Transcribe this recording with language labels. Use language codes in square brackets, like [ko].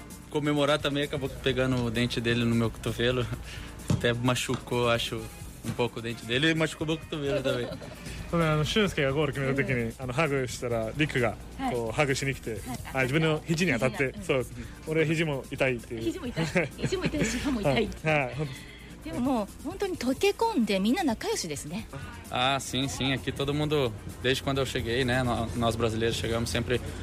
[pt] comemorar também, acabou pegando o dente dele no meu cotovelo, até machucou, acho, pouco o dente dele, machucou meu cotovelo também. [ja] 俊介がゴール決めた時にハグしたらリクがこうハグしに来て、はい、自分の肘に当たって、そう、俺肘も痛いっていう。肘も痛いし歯も痛いっていう。でももう本当に溶け込んでみんな仲良しですね。 [pt] Ah, sim, sim. Aqui todo mundo, desde quando eu cheguei, né? Nós brasileiros chegamos sempre.